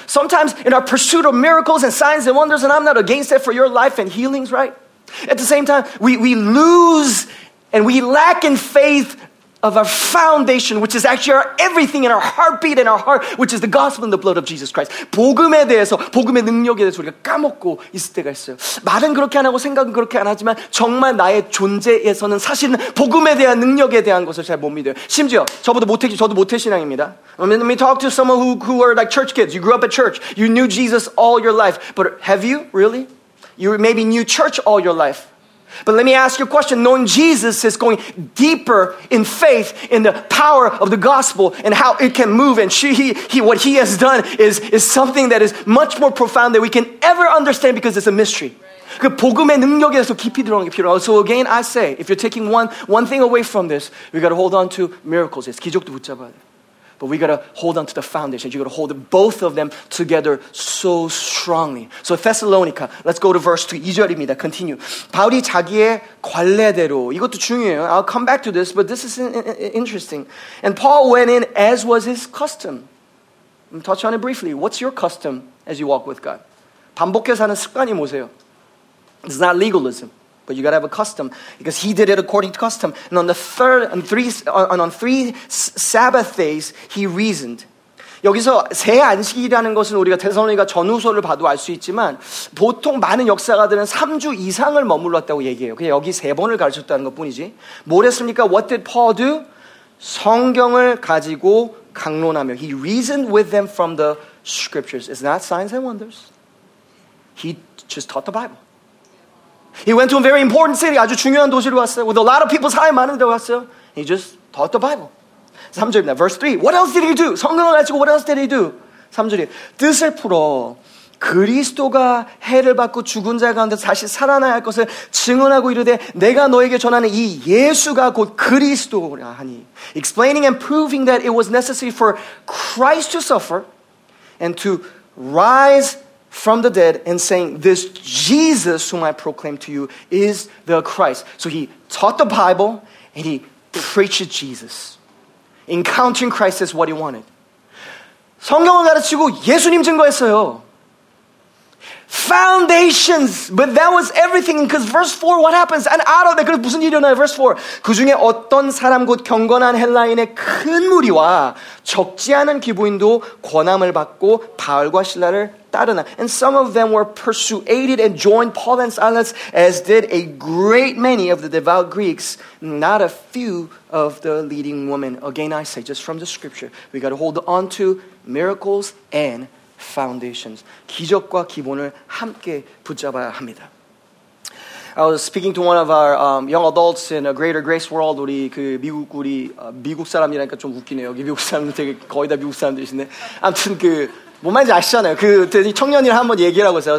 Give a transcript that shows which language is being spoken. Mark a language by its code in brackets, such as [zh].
[en] Sometimes in our pursuit of miracles and signs and wonders, and I'm not against it for your life and healings, right? At the same time, we lose and we lack in faith of our foundation, which is actually our everything in our heartbeat and our heart, which is the gospel and the blood of Jesus Christ. [ko] 복음에 대해서, 복음의 능력에 대해서 우리가 까먹고 있을 때가 있어요. 말은 그렇게 안 하고 생각은 그렇게 안 하지만 정말 나의 존재에서는 사실은 복음에 대한 능력에 대한 것을 잘 못 믿어요. 심지어 저도 모태신앙입니다. [en] Let me talk to someone who are like church kids. You grew up at church. You knew Jesus all your life. But have you, really? You maybe knew church all your life. But let me ask you a question. Knowing Jesus is going deeper in faith in the power of the gospel and how it can move. And what he has done is something that is much more profound than we can ever understand because it's a mystery. Right. [ko] 그 복음의 능력에 대해서 깊이 들어가는 게 필요해요. [en] So again, I say, if you're taking one thing away from this, we got to hold on to miracles. It's [ko] 기적도 붙잡아야 돼. [en] But we got to hold on to the foundation. You got to hold both of them together so strongly. So Thessalonica, let's go to verse 2. [ko] 2절입니다. [en] Continue. [ko] 바울이 자기의 관례대로. 이것도 중요해요. [en] I'll come back to this, but this is interesting. And Paul went in as was his custom. I'm touch on it briefly. What's your custom as you walk with God? [ko] 반복해서 하는 습관이 뭐세요? [en] It's not legalism. But you gotta have a custom because he did it according to custom. And on the third and three and on three Sabbath days, he reasoned. [ko] 여기서 새 안식일이라는 것은 우리가 데살로니가 전후서를 봐도 알 수 있지만 보통 많은 역사가들은 3주 이상을 머물렀다고 얘기해요. 그냥 여기 세 번을 가르쳤다는 것뿐이지. 뭘 했습니까? [en] What did Paul do? [ko] 성경을 가지고 강론하며 [en] he reasoned with them from the scriptures. It's not signs and wonders. He just taught the Bible. He went to a very important city, [ko] 아주 중요한 도시로 왔어요. [en] With a lot of people [ko] 사이 많은 데 왔어요. [en] He just taught the Bible. [ko] 3절입니다. [en] Verse 3. What else did he do? [ko] 성경을 가지고 [en] what else did he do? [ko] 3절이 뜻을 풀어 그리스도가 해를 받고 죽은 자 가운데 다시 살아나야 할 것을 증언하고 이르되 내가 너에게 전하는 이 예수가 곧 그리스도라 하니. [en] Explaining and proving that it was necessary for Christ to suffer and to rise from the dead and saying, this Jesus whom I proclaim to you is the Christ. So he taught the Bible and he preached Jesus. Encountering Christ is what he wanted. [ko] 성경을 가르치고 예수님 증거했어요. [en] Foundations, but that was everything. Because verse 4, what happens? And out of that, [ko] 그래서 무슨 일이 일어나요? [en] Verse 4. [ko] 그 중에 어떤 사람 곧 경건한 헬라인의 큰 무리와 적지 않은 기부인도 권함을 받고 바울과 신라를 따르나. [en] And some of them were persuaded and joined Paul and Silas, as did a great many of the devout Greeks, not a few of the leading women. Again, I say, just from the scripture, we got to hold on to miracles and foundations. [ko] 기적과 기본을 함께 붙잡아야 합니다. [en] I was speaking to one of our young adults in a Greater Grace World. [ko] 우리 그 미국 우리 미국 사람이라니까 좀 웃기네요. 여기 미국 사람들 되게 거의 다 미국 사람들이시네. 아무튼 그 뭔 말인지 아시잖아요. 그 청년이 한번 얘기를 하고 있어요.